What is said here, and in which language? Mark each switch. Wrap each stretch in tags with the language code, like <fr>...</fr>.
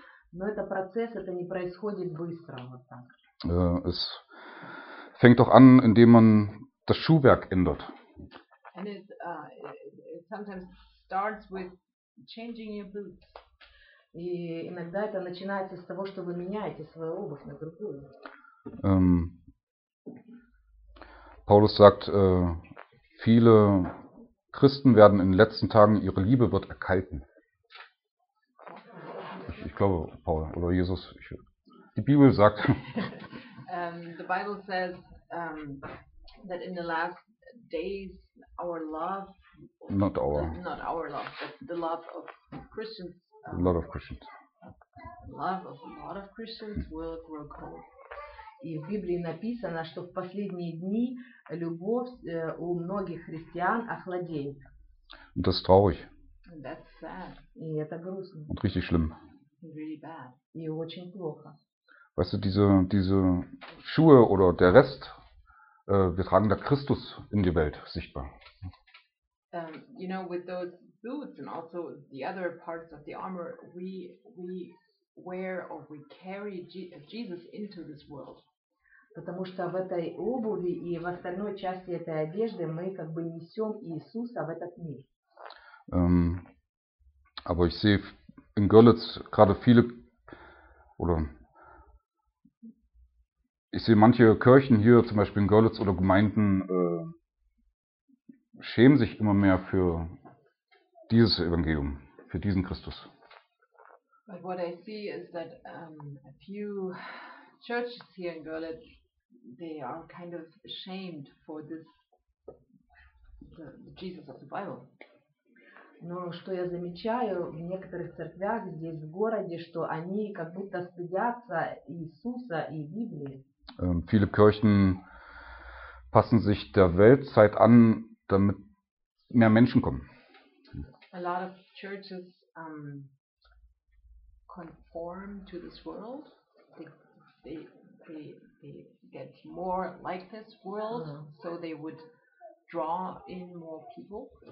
<ru>Но это процесс, это не происходит быстро, вот так.</ru> <de>Es fängt doch an, indem man das Schuhwerk ändert.</de> <en>And it sometimes starts with changing your boots.</en> <ru>И иногда это начинается с того, что вы меняете свою обувь на другую.</ru> <de>Paulus sagt, viele Christen werden in den letzten Tagen, ihre Liebe wird erkalten. Ich glaube, Paul oder Jesus. Die Bibel sagt.</de> <en>The Bible says that in the last days our love. Not our. Not our love, but the love of Christians. A lot of Christians. Love of a lot of Christians will grow cold.</en> <ru>И в Библии написано, что в последние дни любовь у многих христиан охладеет.</ru> <de>Das ist traurig.</de> <en>And that's sad.</en> <ru>И это грустно.</ru> <de>Und richtig schlimm.</de> <en>Really bad.</en> <ru>И очень плохо.</ru> <de>Weißt du, diese Schuhe oder der Rest, wir tragen da Christus in die Welt sichtbar.</de> <en>You know, with those boots and also the other parts of the armor, we wear or we carry Jesus into this world.</en> <ru>Потому что в этой обуви и в остальной части этой одежды мы как бы несем Иисуса в этот мир.</ru> <de>Aber ich sehe in Görlitz gerade viele, oder ich sehe manche Kirchen hier, zum Beispiel in Görlitz oder Gemeinden, schämen sich immer mehr für dieses Evangelium, für diesen Christus.</de> <en>But what I see is that a few churches here in Görlitz, they are kind of ashamed for this, the Jesus of the Bible.</en> <ru>Но что я замечаю в некоторых церквях здесь, в городе, что они как будто стыдятся Иисуса и Библии.</ru> <de>Viele Kirchen passen sich der Weltzeit an, damit mehr Menschen kommen.</de> <en>A lot of churches conform to this world. They get more like this world, so they would draw in more people.</en>